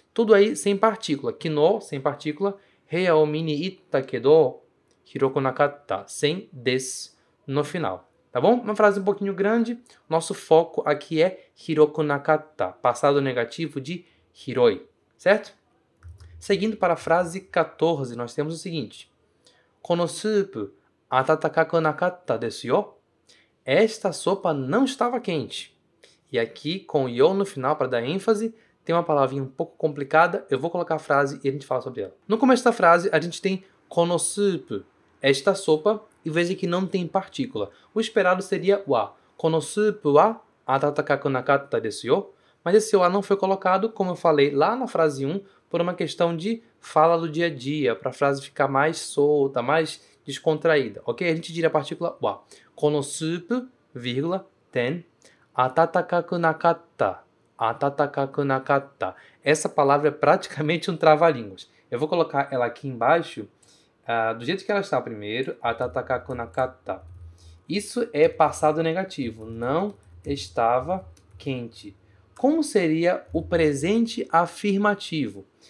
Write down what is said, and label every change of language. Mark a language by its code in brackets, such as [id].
[pt] Tudo aí sem partícula. Kino, sem partícula. [ja] Hei o mini itta kedo, hiroku nakatta, [pt] sem desu no final, tá bom? Uma frase um pouquinho grande. Nosso foco aqui é hiroku nakatta, passado negativo de hiroi, certo? Seguindo para a frase 14, nós temos o seguinte. [ja] このスープ温かくなかったですよ。 [pt] Esta sopa não estava quente. E aqui, com yo no final para dar ênfase, tem uma palavrinha um pouco complicada. Eu vou colocar a frase e a gente fala sobre ela. No começo da frase, a gente tem [ja] このスープ [pt] esta sopa, e veja que não tem partícula. O esperado seria wa. [ja] このスープは温かくなかったですよ。 [pt] Mas esse wa não foi colocado, como eu falei lá na frase 1, por uma questão de fala do dia a dia, para a frase ficar mais solta, mais descontraída. Ok? A gente diria a partícula wa. [ja] このスープ, vírgula, ten, 温かくなかった, 温かくなかった. [pt] Essa palavra é praticamente um trava-línguas. Eu vou colocar ela aqui embaixo, do jeito que ela está primeiro, 温かくなかった. Isso é passado negativo, não estava quente. Como seria o presente afirmativo?